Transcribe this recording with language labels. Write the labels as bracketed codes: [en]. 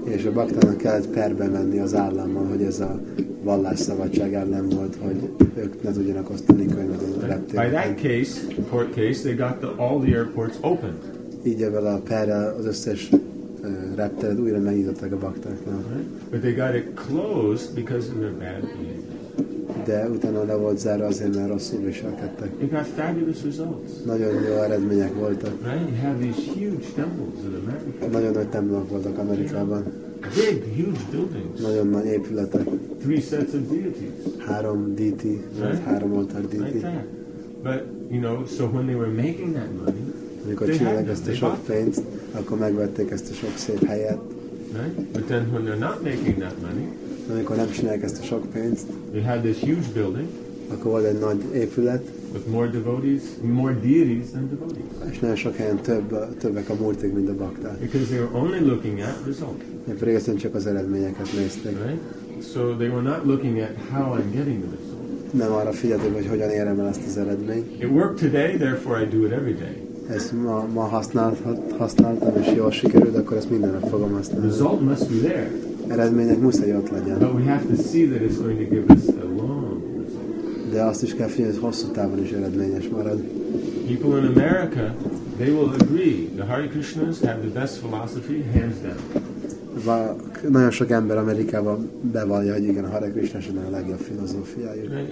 [hu] És a baktának kellett perbe menni az állammal, hogy ez a vallásszabadság ellen volt, hogy ők ne tudjanak osztani könyvet a reptéren. [en] By that case, court case, they got all the airports open. [hu] Így ebben a perrel az összes repteret újra megnyitották a baktáknak. [en] But they got it closed because of their bad behavior. [hu] De utána le volt zárva azért, mert rosszul viselkedtek. [en] It got fabulous results. [hu] Nagyon jó eredmények voltak. [en] Right? You have these huge temples in America. [hu] Nagyon nagy templomok voltak Amerikában. [en] Big, huge buildings. [hu] Nagyon nagy épületek. [en] Three sets of deities. [hu] Három díti, [en] right? [hu] Három oltár díti. [en] Like that. But, so when they were making that money, [hu] amikor csinálják ezt a sok pénzt, akkor megvették ezt a sok szép helyet. [en] Right? But then when they're not making that money, [hu] amikor nem csinálják ezt a sok pénzt, [en] they had this huge building, [hu] akkor volt egy nagy épület, [en] with more devotees, more deities than devotees. [hu] És nagyon sok helyen többek a murtik, mint a bakták. [en] Because they were only looking at results. [hu] Mert pedig csak az eredményeket nézték. [en] Right? So they were not looking at how I'm getting the results. [hu] nem arra figyeltem, hogy hogyan érem el ezt az eredményt. [en] It worked today, therefore I do it every day. [hu] Ez ma használtam, és jól sikerült, akkor ezt minden nap fogom használni. [en] The result must be there. [hu] Eredmények muszáj ott legyen. [en] But we have to see that it's going to give us a long result. [hu] De azt is kell figyelni, hogy hosszú távon is eredményes marad. [en] People in America, they will agree, the Hare Krishnas have the best philosophy, hands down. [hu] Nagyon sok ember Amerikában bevallja, hogy igen, a Hare Krishna a legjobb filozófiájuk.